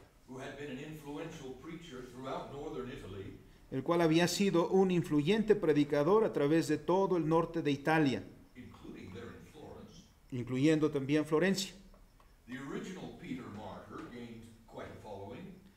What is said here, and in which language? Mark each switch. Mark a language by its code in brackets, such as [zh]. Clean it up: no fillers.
[en] who had been an influential preacher throughout northern Italy, [es] el cual había sido un influyente predicador a través de todo el norte de Italia, [en] including there in Florence, [es] incluyendo también Florencia. [en] The original Peter Martyr gained quite a following.